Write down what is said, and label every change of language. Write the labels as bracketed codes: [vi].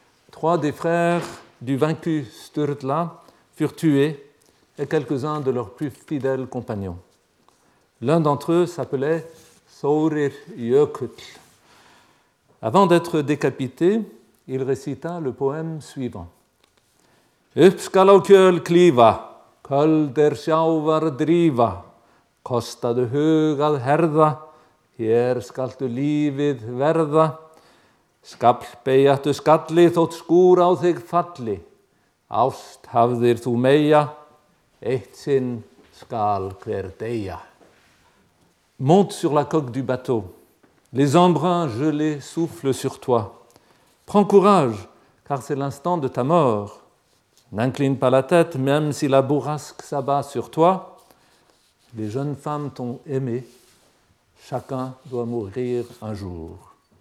[fr] Trois des frères du vaincu Sturla furent tués et quelques-uns de leurs plus fidèles compagnons. L'un d'entre eux s'appelait Thorir Jökull. Avant d'être décapité, il récita le poème suivant. [non] Uppskalaukjöl klífa, köldir sjávar drífa, kostadu hugað herða, hér skaltu lífið verða, skall beigjattu skalli þótt skúr á þig falli, ást hafðir þú meia, eitt sinn skal hver deyja. [fr] Monte sur la coque du bateau. Les embruns gelés soufflent sur toi. Prends courage, car c'est l'instant de ta mort. N'incline pas la tête, même si la bourrasque s'abat sur toi. Les jeunes femmes t'ont aimé. Chacun doit mourir un jour.